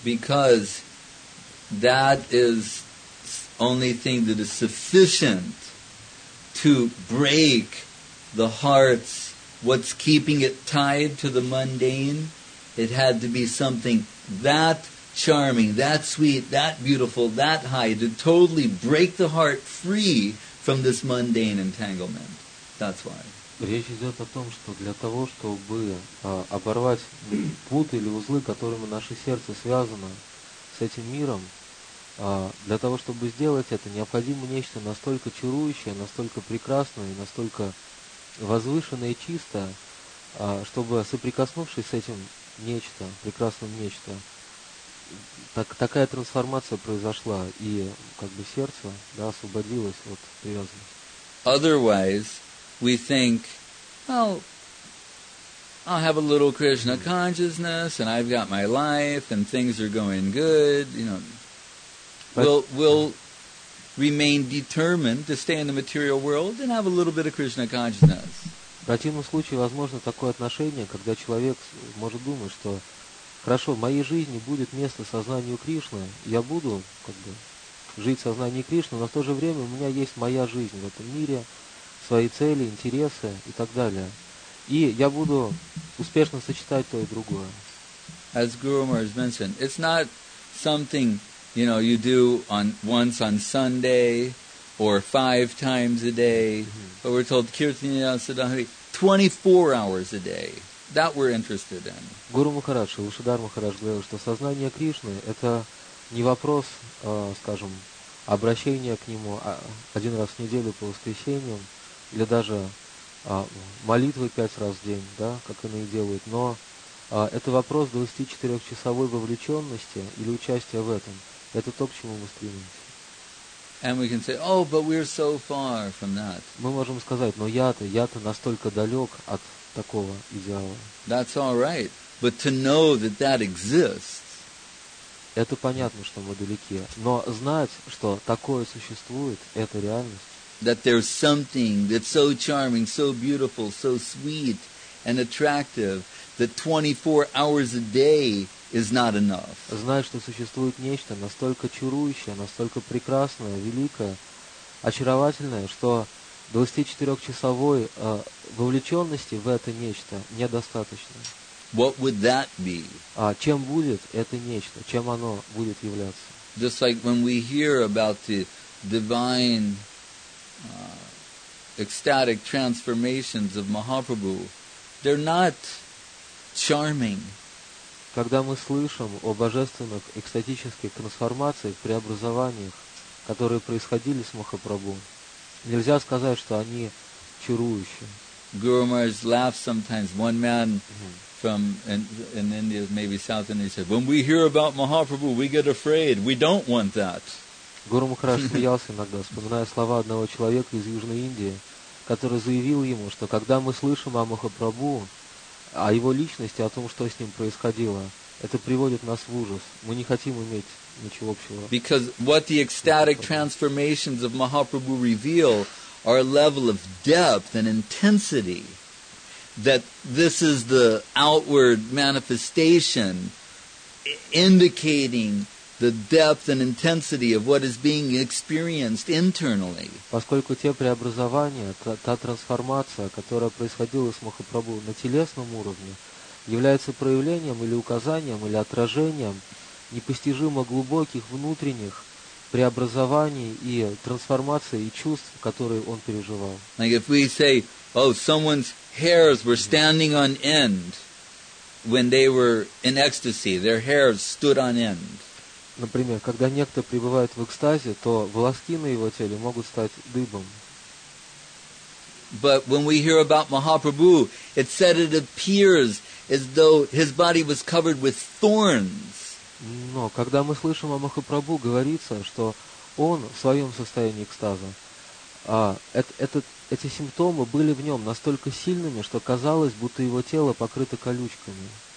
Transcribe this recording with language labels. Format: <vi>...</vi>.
<en>Because that is only thing that is sufficient to break the hearts, what's keeping it tied to the mundane. It had to be something that charming, that sweet, that beautiful, that high, to totally break the heart free from this mundane entanglement. That's why.</en> <ru>Речь идет о том, что для того, чтобы оборвать путы или узлы, которыми наше сердце связано с этим миром, для того, чтобы сделать это, необходимо нечто настолько чарующее, настолько прекрасное, настолько возвышенное и чистое, чтобы, соприкоснувшись с этим нечто, прекрасным нечто, такая трансформация произошла, и как бы сердце, да, освободилось от привязанности.</ru> <en>Otherwise, we think, well, I'll have a little Krishna consciousness, and I've got my life, and things are going good, you know. We'll remain determined to stay in the material world and have a little bit of Krishna consciousness.</en> <ru>В противном случае возможно такое отношение, когда человек может думать, что хорошо, в моей жизни будет место сознанию Кришны, я буду как бы жить в сознании Кришны, но в то же время у меня есть моя жизнь в этом мире, свои цели, интересы и так далее. И я буду успешно сочетать то и другое.</ru> <en>As Guru Maharaj mentioned, it's not something, you know, you do on once on Sunday or five times a day, but we're told Kirtaniya Sadhani 24 hours a day. That we're interested in.</en> <ru>Гуру Махарадж, Лошадар Махарадж говорил, что сознание Кришны – это не вопрос, скажем, обращения к Нему один раз в неделю по воскресеньям или даже молитвы пять раз в день, да, как иные делают, но это вопрос 24-часовой вовлеченности или участия в этом. Это то, к чему мы стремимся.</ru> <en>And we can say, "Oh, but we're so far from that."</en> <ru>Мы можем сказать, но я-то настолько далек от такого идеала.</ru> <en>That's all right, but to know that that exists.</en> <ru>Это понятно, что мы далеки, но знать, что такое существует, это реальность.</ru> <en>That there's something that's so charming, so beautiful, so sweet and attractive that 24 hours a day is not enough.</en> <ru>Знать, что существует нечто настолько чарующее, настолько прекрасное, великое, очаровательное, что 24-часовой вовлеченности в это нечто недостаточно.</ru> <en>What would that be?</en> <ru>Чем будет это нечто? Чем оно будет являться?</ru> <en>Just like when we hear about the divine ecstatic transformations of Mahaprabhu, they're not charming.</en> <ru>Когда мы слышим о божественных экстатических трансформациях, преобразованиях, которые происходили с Махапрабху, нельзя сказать, что они чарующие.</ru> <en>Guru Maharaj laughs sometimes. One man from in India, maybe South India, said, "When we hear about Mahaprabhu, we get afraid. We don't want that."</en> <ru>Guru Maharaj смеялся иногда, вспоминая слова одного человека из Южной Индии, который заявил ему, что когда мы слышим о Махапрабху, о его личности, о том, что с ним происходило, это приводит нас в ужас. Мы не хотим иметь ничего общего.</ru> <en>Because what the ecstatic transformations of Mahaprabhu reveal are a level of depth and intensity that this is the outward manifestation indicating the depth and intensity of what is being experienced internally.</en> <ru>Поскольку те преобразования, та трансформация, которая происходила с Махапрабху на телесном уровне, является проявлением или указанием, или отражением непостижимо глубоких внутренних преобразований и трансформаций и чувств, которые он переживал.</ru> <en>Like if we say, "Oh, someone's hairs were standing on end when they were in ecstasy, their hairs stood on end."</en> <ru>Например, когда некто пребывает в экстазе, то волоски на его теле могут стать дыбом.</ru> <en>But when we hear about Mahaprabhu, it said it appears as though his body was covered with thorns.</en> <ru>Но когда мы слышим о Махапрабху, говорится, что он в своем состоянии экстаза, эти симптомы были в нем настолько сильными, что казалось, будто его тело покрыто колючками.</ru>